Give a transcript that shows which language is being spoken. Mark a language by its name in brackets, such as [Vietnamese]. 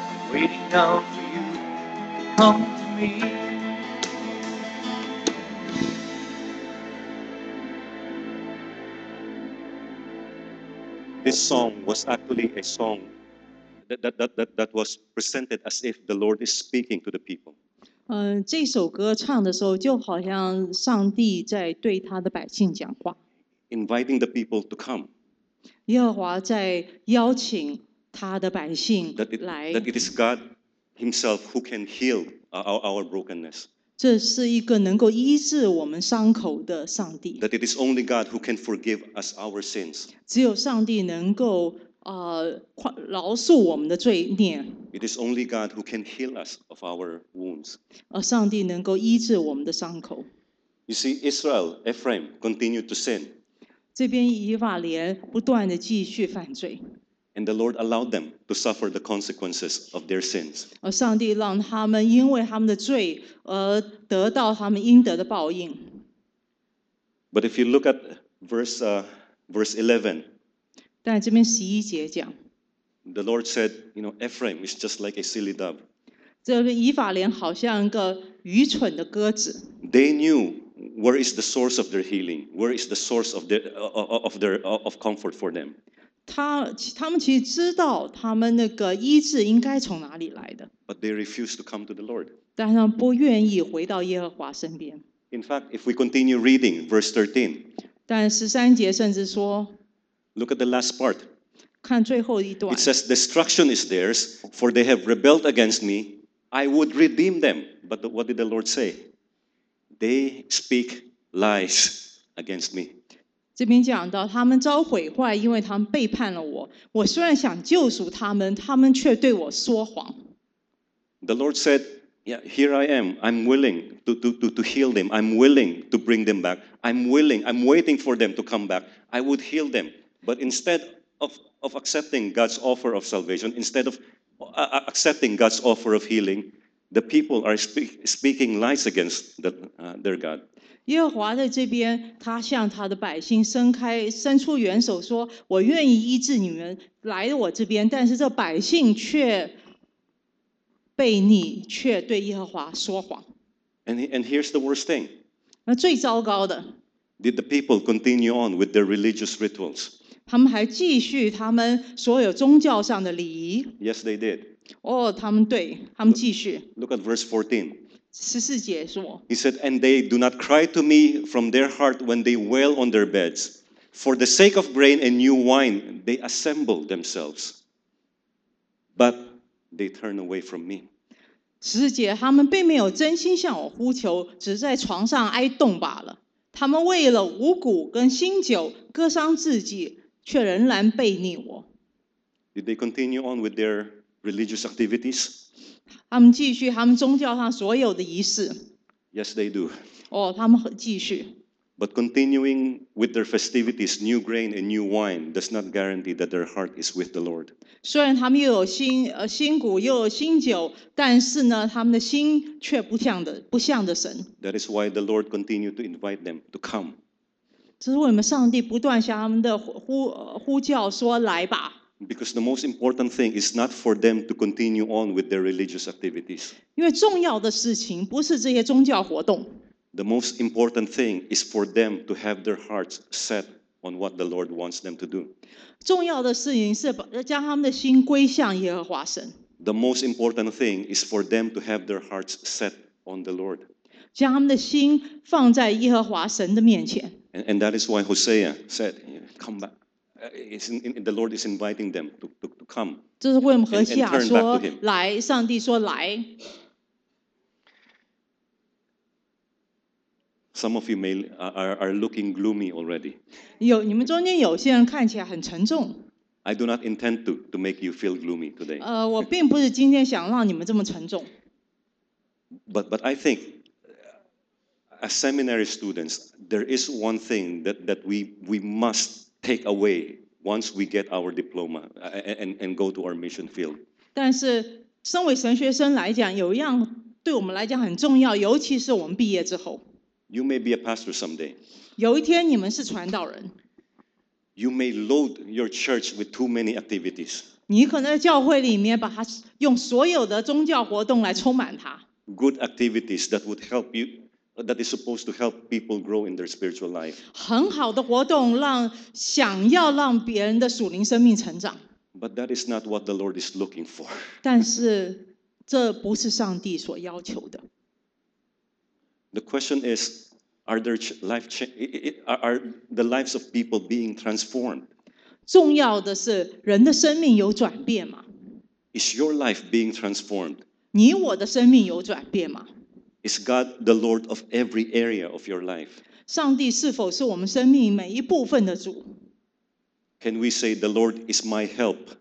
[English] Waiting now for you to come to me. This song was actually a song that was presented as if the Lord is speaking to the people. [Chinese] 这首歌唱的时候，就好像上帝在对他的百姓讲话。 [English] Inviting the people to come. [Chinese] 耶和华在邀请他的百姓来。 [English] That it is God Himself who can heal our brokenness. [Chinese] 这是一个能够医治我们伤口的上帝。 [English] That it is only God who can forgive us our sins. [Chinese] 只有上帝能够饶恕我们的罪孽。 [English] It is only God who can heal us of our wounds. [Chinese] 而上帝能够医治我们的伤口。 [English] You see, Israel, Ephraim, continued to sin. [Chinese] 这边以法莲不断的继续犯罪。 [English] And the Lord allowed them to suffer the consequences of their sins. [Chinese] 而上帝让他们因为他们的罪而得到他们应得的报应。 [English] But if you look at verse 11. [Chinese] 但这边十一节讲 [English] ，The Lord said, "You know, Ephraim is just like a silly dove." [Chinese] 这边以法莲好像一个愚蠢的鸽子。 [English] They knew where is the source of their healing, where is the source of their comfort for them. [Chinese] 他们其实知道他们那个医治应该从哪里来的。 [English] But they refused to come to the Lord. [Chinese] 但他们不愿意回到耶和华身边。 [English] In fact, if we continue reading verse 13, [Chinese] 但十三节甚至说。 [English] Look at the last part. [Chinese] 看最后一段。 [English] It says, "Destruction is theirs, for they have rebelled against me. I would redeem them." But what did the Lord say? They speak lies against me. [Chinese] 这边讲到他们遭毁坏，因为他们背叛了我。我虽然想救赎他们，他们却对我说谎。 [English] The Lord said, "Yeah, here I am. I'm willing to heal them. I'm willing to bring them back. I'm willing. I'm waiting for them to come back. I would heal them." But instead of accepting God's offer of salvation, instead of accepting God's offer of healing, the people are speaking lies against their God. [Chinese] 耶和华在这边，他向他的百姓伸出援手，说：“我愿意医治你们来我这边。”但是这百姓却悖逆，却对耶和华说谎。 [English] And here's the worst thing. [Chinese] 那最糟糕的。 [English] Did the people continue on with their religious rituals? [Chinese] 他们还继续他们所有宗教上的礼仪。 [English] Yes, they did. [Chinese] 哦，他们对，他们继续。 [English] Look at verse 14. [Chinese] 十四节说。 [English] He said, "And they do not cry to me from their heart when they wail on their beds." For the sake of grain and new wine, they assemble themselves, but they turn away from me. [Chinese] 十四节，他们并没有真心向我呼求，只在床上哀动罢了。他们为了五谷跟新酒割伤自己，却仍然背逆我。 [English] Did they continue on with their religious activities? [Chinese] 他们继续他们宗教上所有的仪式。 [English] Yes, they do. [Chinese] 哦，他们继续。 [English] But continuing with their festivities, new grain and new wine does not guarantee that their heart is with the Lord. [Chinese] 虽然他们又有新新谷又有新酒，但是呢，他们的心却不向着神。 [English] That is why the Lord continued to invite them to come. [Chinese] 这是为什么上帝不断向他们的呼叫说来吧。 [English] Because the most important thing is not for them to continue on with their religious activities. [Chinese] 因为重要的事情不是这些宗教活动。 [English] The most important thing is for them to have their hearts set on what the Lord wants them to do. [Chinese] 重要的事情是将他们的心归向耶和华神。 [English] The most important thing is for them to have their hearts set on the Lord. [Chinese] 将他们的心放在耶和华神的面前。 [English] And that is why Hosea said, "Come back." The Lord is inviting them to come. [Chinese] 这是为什么何西阿说来，上帝说来。 [English] Some of you may are looking gloomy already. [Chinese] 有你们中间有些人看起来很沉重。 [English] I do not intend to make you feel gloomy today. [Chinese] 我并不是今天想让你们这么沉重。 [English] But I think as seminary students, there is one thing that we must take away once we get our diploma and go to our mission field. [Chinese] 但是，身为神学生来讲，有一样对我们来讲很重要，尤其是我们毕业之后。 [English] You may be a pastor someday. [Chinese] 有一天你们是传道人。 [English] You may load your church with too many activities. [Chinese] 你可能在教会里面把它用所有的宗教活动来充满它。 [English] Good activities that would help you, that is supposed to help people grow in their spiritual life. [Chinese] 很好的活动让想要让别人的属灵生命成长。 [English] But that is not what the Lord is looking for. [Chinese] 但是这不是上帝所要求的。 [English] The question is, are the lives of people being transformed? [Chinese] 重要的是人的生命有转变吗？ [English] Is your life being transformed? [Chinese] 你我的生命有转变吗？ [English] Is God the Lord of every area of your life? [Chinese] 上帝是否是我们生命每一部分的主？ [English] Can we say the Lord is my help?